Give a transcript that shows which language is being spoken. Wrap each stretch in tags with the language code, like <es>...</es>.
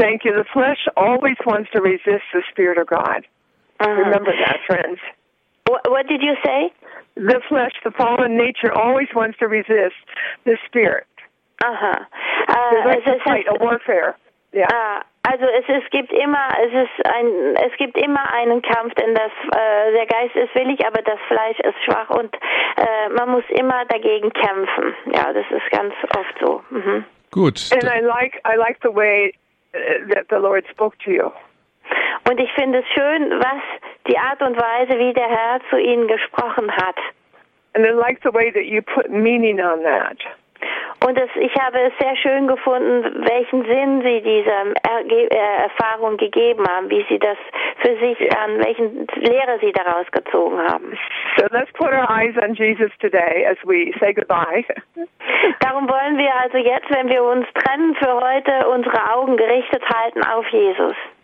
<en>Thank you. The flesh always wants to resist the Spirit of God. Uh-huh. Remember that, friends. What did you say? The flesh, the fallen nature, always wants to resist the Spirit. Uh-huh. It's like a fight, a warfare. Yeah.</en> <de>Also es gibt immer einen Kampf, denn der Geist ist willig, aber das Fleisch ist schwach, und man muss immer dagegen kämpfen. Ja, das ist ganz oft so. Mhm. Gut.</de> <en>And I like the way that the Lord spoke to you.</en> <de>Und ich finde es schön, was die Art und Weise, wie der Herr zu Ihnen gesprochen hat.</de> <en>And I like the way that you put meaning on that.</en> <de>Und ich habe es sehr schön gefunden, welchen Sinn Sie dieser Erfahrung gegeben haben, wie Sie das für sich dann, welchen Lehre Sie daraus gezogen haben.</de> <en>So let's put our eyes on Jesus today as we say goodbye.</en> <de>Darum wollen wir also jetzt, wenn wir uns trennen für heute, unsere Augen gerichtet halten auf Jesus.</de>